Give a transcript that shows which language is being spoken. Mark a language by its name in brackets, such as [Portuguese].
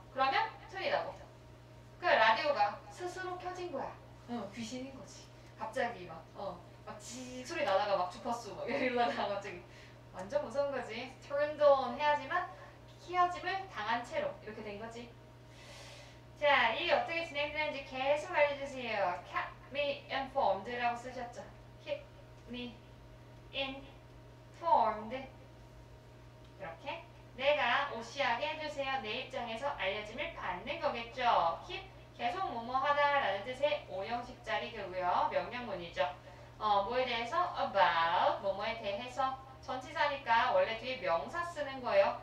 [Korean] 그러면 틀리다고. 그 라디오가 스스로 켜진 거야. 귀신인 거지. 갑자기 막 지지직 소리 나다가 막 주파수 막 이러다가 갑자기 완전 무서운 거지. turned on 해야지만 키어짐을 당한 채로 이렇게 된 거지. 자, 일이 어떻게 진행되는지 계속 알려주세요. [English] Keep me informed 라고 쓰셨죠. Keep me informed. [Korean] 이렇게 내가 오시하게 해주세요. 내 입장에서 알려짐을 받는 거겠죠. Keep 계속 뭐뭐하다 라는 뜻의 5형식짜리 되고요. 명령문이죠. 뭐에 대해서? About 뭐뭐에 대해서. 전치사니까 원래 뒤에 명사 쓰는 거예요.